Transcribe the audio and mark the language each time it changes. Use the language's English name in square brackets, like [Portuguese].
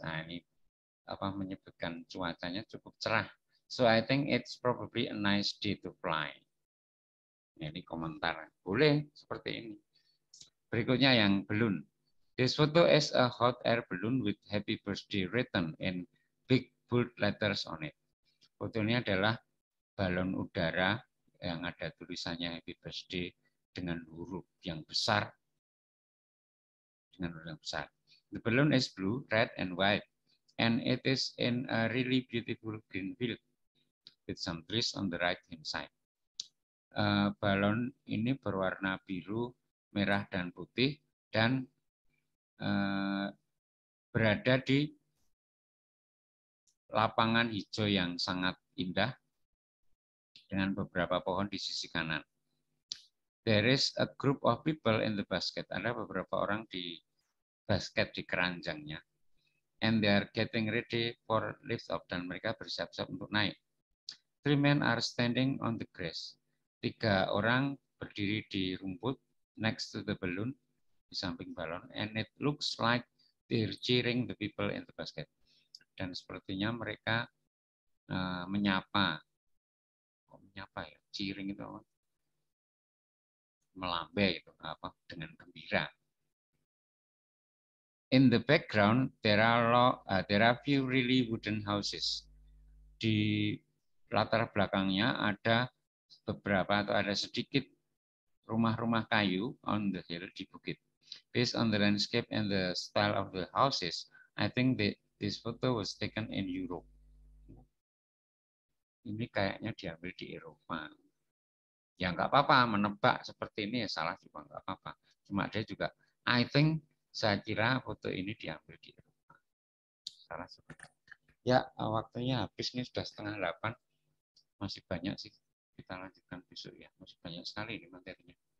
[Indonesian] Nah, ini apa menyebutkan cuacanya cukup cerah. [English] So I think it's probably a nice day to fly. [Indonesian] Ini komentar. Boleh seperti ini. Berikutnya yang balloon. [English] This photo is a hot air balloon with happy birthday written in big bold letters on it. [Indonesian] Fotonya adalah balon udara yang ada tulisannya [English] happy birthday [Indonesian] dengan huruf yang besar. [English] The balloon is blue, red, and white, and it is in a really beautiful green field with some trees on the right hand side. [Indonesian] Balon ini berwarna biru, merah, dan putih, dan berada di lapangan hijau yang sangat indah dengan beberapa pohon di sisi kanan. [English] There is a group of people in the basket. [Indonesian] Ada beberapa orang di basket, di keranjangnya. [English] And they are getting ready for lift off, [Indonesian] dan mereka bersiap-siap untuk naik. [English] Three men are standing on the grass. [Indonesian] Tiga orang berdiri di rumput [English] next to the balloon, [Indonesian] di samping balon, [English] and it looks like they're cheering the people in the basket. [Indonesian] Dan sepertinya mereka menyapa, cheering itu melambai itu apa, dengan gembira. [English] In the background there are few really wooden houses. [Indonesian] Di latar belakangnya ada beberapa atau ada sedikit rumah-rumah kayu [English] on the hill, [Indonesian] di bukit. [English] Based on the landscape and the style of the houses, I think that this photo was taken in Europe. [Indonesian] Ini kayaknya diambil di Eropa. Ya enggak apa-apa, menebak seperti ini ya salah juga enggak apa-apa. Cuma dia juga [English] I think, [Indonesian] saya kira foto ini diambil di Eropa. Salah seperti ya, waktunya habis nih, sudah 7:30. Masih banyak sih, kita lanjutkan besok ya. Masih banyak sekali ini materinya.